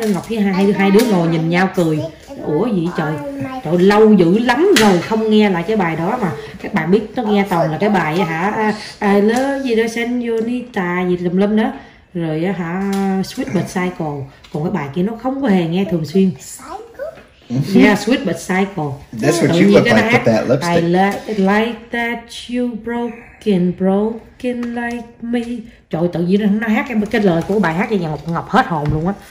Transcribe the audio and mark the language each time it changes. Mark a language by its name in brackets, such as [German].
[Vietnamese] Ngọc với hai đứa ngồi nhìn nhau cười. Ủa gì trời. Trời lâu dữ lắm rồi không nghe lại cái bài đó mà. Các bạn biết nó nghe toàn là cái bài hả. I love you, Senorita gì lùm lum đó. Rồi hả, Sweet But Psycho. Còn cái bài kia nó không có hề nghe thường xuyên. [English] Yeah, Sweet But Psycho. That's what you look like with that lipstick. I like that you broken, broken like me. [Vietnamese] Trời tự nhiên nó hát em cái lời của bài hát vậy nhà Ngọc hết hồn luôn á.